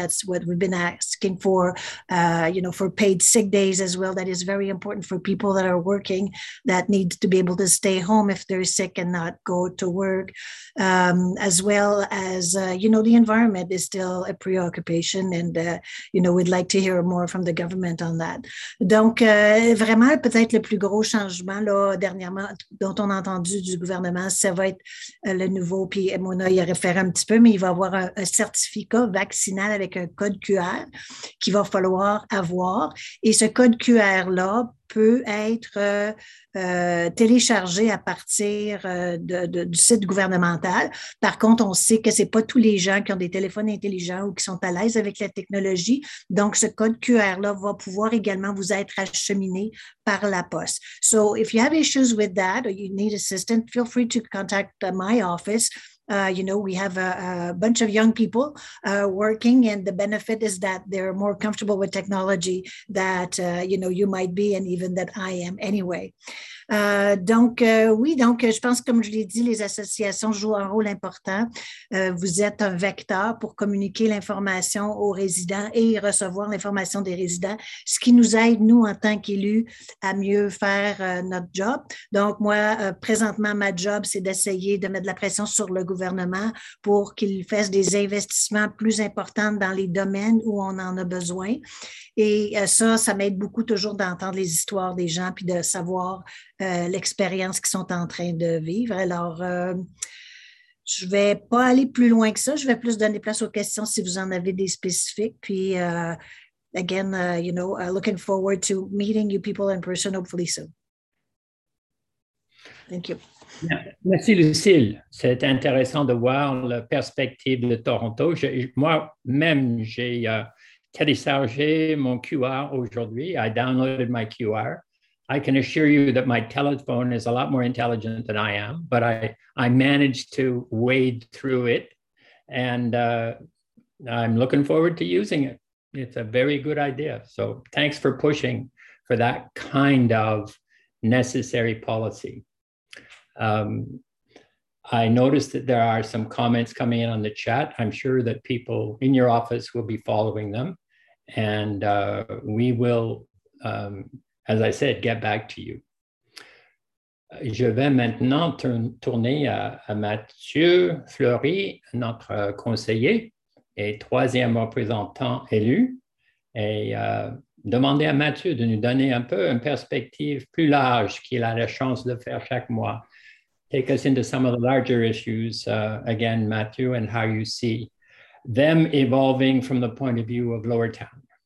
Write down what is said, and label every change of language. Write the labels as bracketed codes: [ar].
[en] That's what we've been asking for, you know, for paid sick days as well. That is very important for people that are working that need to be able to stay home if they're sick and not go to work, as well as, you know, the environment is still a preoccupation. And, you know, we'd like to hear more from the government on that. [fr] Donc, vraiment, peut-être le plus gros changement, là, dernièrement, dont on a entendu du gouvernement, ça va être le nouveau, puis Mona y a référé un petit peu, mais il va avoir un certificat vaccinal avec un code QR qu'il va falloir avoir. Et ce code QR-là peut être téléchargé à partir du site gouvernemental. Par contre, on sait que ce n'est pas tous les gens qui ont des téléphones intelligents ou qui sont à l'aise avec la technologie. Donc, ce code QR-là va pouvoir également vous être acheminé par la poste. [en] So, if you have issues with that or you need assistance, feel free to contact my office. You know, we have a bunch of young people working, and the benefit is that they're more comfortable with technology that, you know, you might be and even that I am anyway. [fr] Donc, je pense, comme je l'ai dit, les associations jouent un rôle important. Vous êtes un vecteur pour communiquer l'information aux résidents et recevoir l'information des résidents, ce qui nous aide, nous, en tant qu'élus, à mieux faire notre job. Donc, moi, présentement, ma job, c'est d'essayer de mettre de la pression sur le gouvernement pour qu'il fasse des investissements plus importants dans les domaines où on en a besoin. Et ça m'aide beaucoup toujours d'entendre les histoires des gens puis de savoir l'expérience qu'ils sont en train de vivre. Alors, je ne vais pas aller plus loin que ça. Je vais plus donner place aux questions si vous en avez des spécifiques. Puis, [en] again, you know, looking forward to meeting you people in person, hopefully soon. Thank you. [fr] Merci, Lucille. C'est intéressant de voir la perspective de Toronto. Moi-même, j'ai téléchargé mon QR aujourd'hui. [en] I downloaded my QR. I can assure you that my telephone is a lot more intelligent than I am, but I managed to wade through it, and I'm looking forward to using it. It's a very good idea. So thanks for pushing for that kind of necessary policy. I noticed that there are some comments coming in on the chat. I'm sure that people in your office will be following them, and we will, as I said, get back to you. [fr] Je vais maintenant tourner à Mathieu Fleury, notre conseiller et troisième représentant élu, et demander à Mathieu de nous donner un peu une perspective plus large qu'il a la chance de faire chaque mois. [en] Take us into some of the larger issues, again, Mathieu, and how you see them evolving from the point of view of Lower Town.